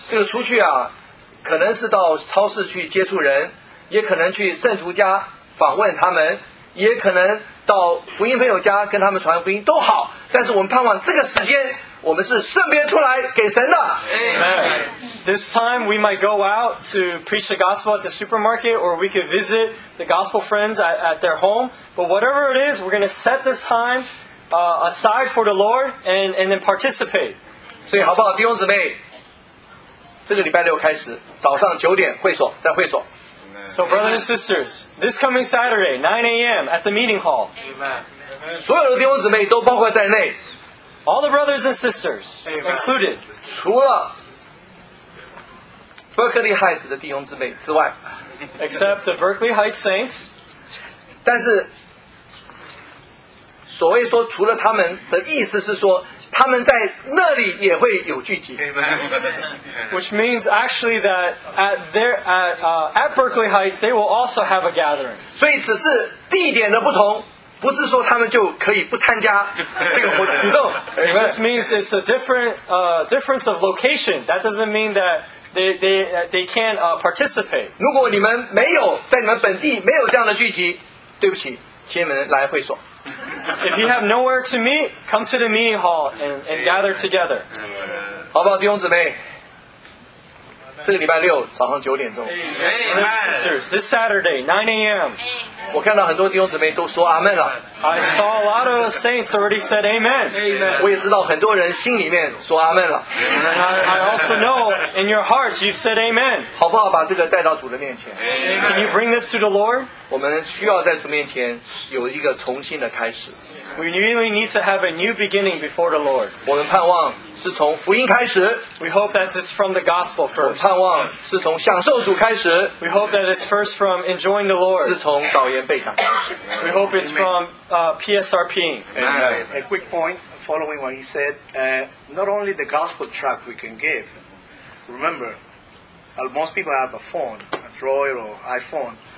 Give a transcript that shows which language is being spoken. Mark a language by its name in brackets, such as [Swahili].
[Chinese] 这个出去啊，可能是到超市去接触人，也可能去圣徒家访问他们，也可能到福音朋友家跟他们传福音，都好。但是我们盼望这个时间，我们是圣别出来给神的。 [English] Amen. This time we might go out to preach the gospel at the supermarket, or we could visit the gospel friends at their home. But whatever it is, we're going to set this time aside for the Lord and then participate. [Chinese] 所以好不好，弟兄姊妹，这个礼拜六开始，早上九点会所，在会所。 [English] So brothers and sisters, this coming Saturday, 9 a.m. at the meeting hall. Amen. [Chinese] 所有的弟兄姊妹都包括在内。 [English] All the brothers and sisters included. [Chinese] 除了 Berkeley Heights 的弟兄姊妹之外。 [English] Except the Berkeley Heights Saints. [Chinese] 但是，所谓说除了他们的意思是说。他们在那里也会有聚集。 [English] Which means actually that at Berkeley Heights, they will also have a gathering. [Chinese] 所以只是地点的不同，不是说他们就可以不参加这个活动。 [English] It just means it's a difference of location. That doesn't mean that they can't participate. [Chinese] 如果你们没有在你们本地没有这样的聚集，对不起，请你们来会所。 [English] If you have nowhere to meet, come to the meeting hall and gather together. [Chinese] 好不好，弟兄姊妹？这个礼拜六早上九点钟。 [English] Sisters, this Saturday, 9 a.m. [Chinese] 我看到很多弟兄姊妹都说阿门了。 [English] I saw a lot of saints already said amen. [Chinese] 我也知道很多人心里面说阿门了。 [English] And I also know in your hearts you've said amen. [Chinese] 好不好，把这个带到主的面前。 [English] Can you bring this to the Lord? [Chinese] 我们需要在主面前有一个重新的开始。 [English] We really need to have a new beginning before the Lord. [Chinese] 我们盼望是从福音开始。 [English] We hope that it's from the gospel first. [Chinese] 我们盼望是从享受主开始。 [English] We hope that it's first from enjoying the Lord. [Chinese] 是从祷言备战。 [English] We hope it's from PSRP. A quick point following what he said, not only the gospel tract we can give. Remember, most people have a phone, Android or iPhone.